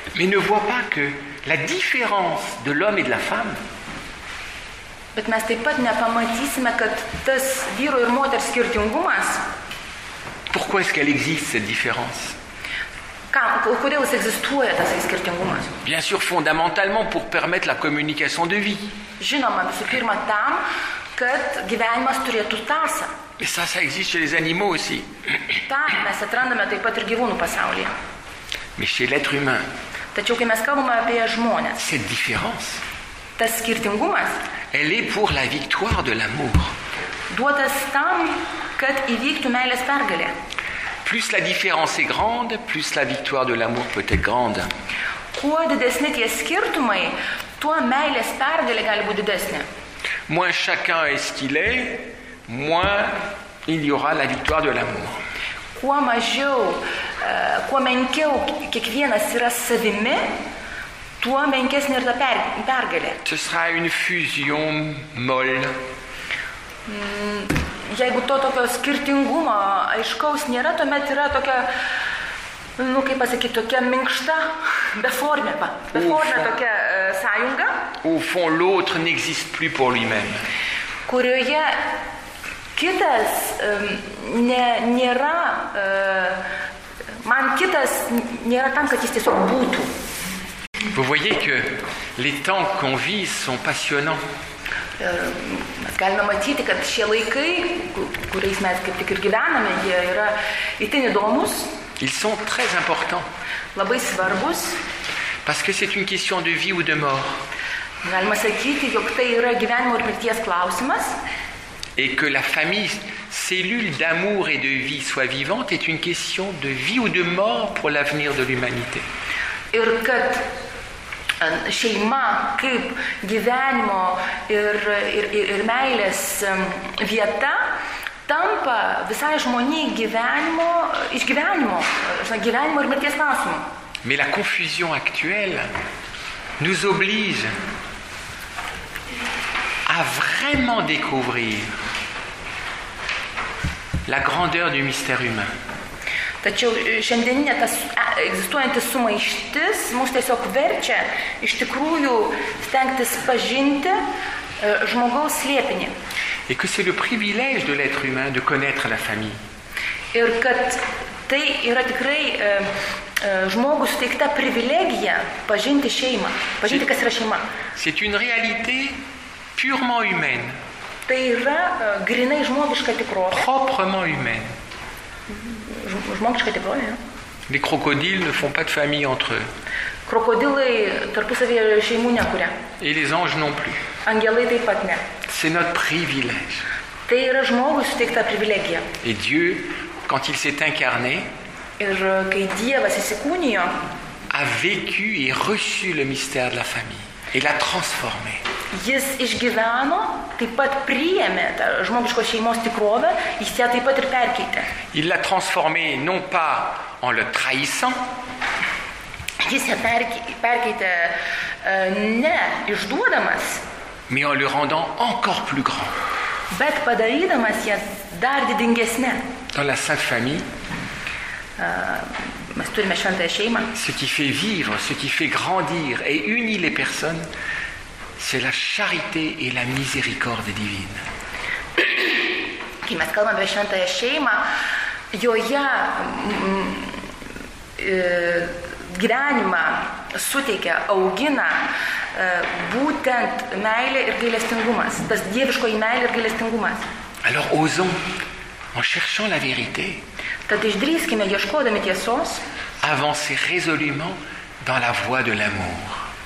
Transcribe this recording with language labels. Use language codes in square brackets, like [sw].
[fr] Mais ne voit pas que la différence de l'homme et de la femme. [lt] Bet mes taip pat nepamatysime, kad tas vyro ir moters skirtingumas. [fr] Pourquoi est-ce qu'elle existe cette différence? [lt] Kodėl jis egzistuoja tas skirtingumas? [fr] Bien sûr, fondamentalement pour permettre la communication de vie. [lt] Žinoma, visų pirma tam, kad gyvenimas turėtų tąsą. [fr] Et ça, ça existe chez les animaux aussi. [lt] Ta, mes atrandame taip pat ir gyvūnų pasaulyje. [fr] Mais chez l'être humain. [lt] Tačiau, kai mes kalbame apie žmonės. [fr] Cette différence. [lt] Tas skirtingumas. [fr] Elle est pour la victoire de l'amour. [lt] Duotas tam, kad įvyktų meilės pergalė. [fr] Plus la différence est grande, plus la victoire de l'amour peut être grande. [lt] Kuo didesni tie skirtumai, tuo meilės pergalė gali būti didesnė. [fr] Moins chacun est ce qu'il est, moins il y aura la victoire de l'amour. [lt] Kuo mažiau, kuo menkiau kiekvienas yra savimi, tuo menkesnė ir ta pergalė. [fr] Ce sera une fusion molle. [lt] Jeigu to tokio skirtingumo aiškaus nėra, tuomet yra tokia, nu kaip pasakyti, tokia minkšta, beformė, beformė tokia sąjunga. [fr] Au fond, l'autre n'existe plus pour lui-même. [lt] Kurioje kitas nėra, man kitas nėra tam, kad jis tiesiog būtų. [fr] Vous voyez que les temps qu'on vit sont passionnants. [lt] Mes galime matyti, kad šie laikai, kuriais mes kaip tik ir gyvename, jie yra itin įdomus. [fr] Ils sont très importants. [lt] Labai svarbus. [fr] Parce que c'est une question de vie ou de mort. [lt] Galima sakyti, jog tai yra gyvenimo ir mirties klausimas. [fr] Et que la famille, cellule d'amour et de vie soit vivante, est une question de vie ou de mort pour l'avenir de l'humanité. [lt] Ir kad šeima kaip gyvenimo ir meilės vieta tampa visai žmonių gyvenimo išgyvenimo, gyvenimo ir mirties klausimu. [fr] Mais la confusion actuelle nous oblige à vraiment découvrir la grandeur du mystère humain. [lt] Tačiau šiandieninė ta egzistuojanti sumaištis mus tiesiog verčia iš tikrųjų stengtis pažinti žmogaus slėpinį. [fr] Et que c'est le privilège de l'être humain de connaître la famille. [lt] Ir kad tai yra tikrai žmogus teikta privilegija pažinti šeimą, pažinti, kas yra šeima. [fr] C'est une réalité purement humaine. [lt] Tai yra grinai žmogiška tikrovė. [fr] Proprement humaine. [lt] Žmogiška tikrovė, jo. [fr] Les crocodiles ne font pas de famille entre eux. [lt] Krokodilai tarpusavyje šeimų nekuria. [fr] Et les anges non plus. [lt] Angelai taip pat ne. [fr] C'est notre privilège. [lt] Tai yra žmogus suteikta privilegija. [fr] Et Dieu, quand il s'est incarné, [lt] ir kai Dievas įsikūnijo, [fr] a vécu et reçu le mystère de la famille et l'a transformé. [lt] Jis išgyveno, taip pat priėmė tą žmogiško šeimos tikrovę, jis ją taip pat ir perkeitė. [fr] Il l'a transformé non pas en le trahissant. [lt] Jis ją perkeitė ne išduodamas, [fr] mais en le rendant encore plus grand. [lt] Bet padarydamas ją dar didingesnę. [fr] Dans la sainte famille, [lt] mes turime šventąją šeimą. [fr] Ce qui fait vivre, ce qui fait grandir et unit les personnes, c'est la charité et la miséricorde divine. [lt] Kai mes kalbame apie šventąją šeimą, joje gyvenimą suteikia, augina būtent meilė ir gailestingumas, tas dieviškoji meilė ir gailestingumas. [fr] Alors osons, en cherchant la vérité, [lt] tad išdrįskime, ieškodami tiesos, [fr] avancer résolument dans la voie de l'amour.